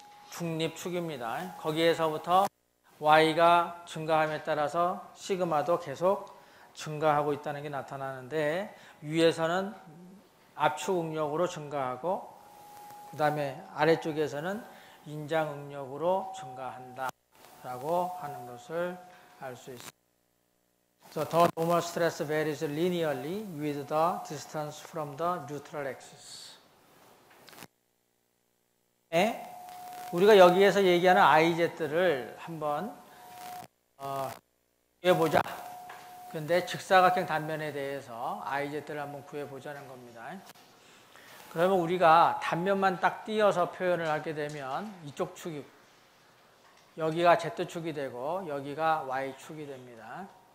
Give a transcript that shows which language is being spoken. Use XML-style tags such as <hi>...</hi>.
<ko>중립축입니다. 거기에서부터 y가 증가함에 따라서 시그마도 계속 증가하고 있다는 게 나타나는데 위에서는 압축 응력으로 증가하고 그 다음에 아래쪽에서는 인장 응력으로 증가한다라고 하는 것을 알 수 있습니다.</ko> <en>The normal stress varies linearly with the distance from the neutral axis.</en> <ko>네? 우리가 여기에서 얘기하는 iz를 한번 구해보자. 그런데 직사각형 단면에 대해서 iz를 한번 구해보자는 겁니다. 그러면 우리가 단면만 딱 띄어서 표현을 하게 되면 이쪽 축이 여기가 z축이 되고 여기가 y축이 됩니다.</ko>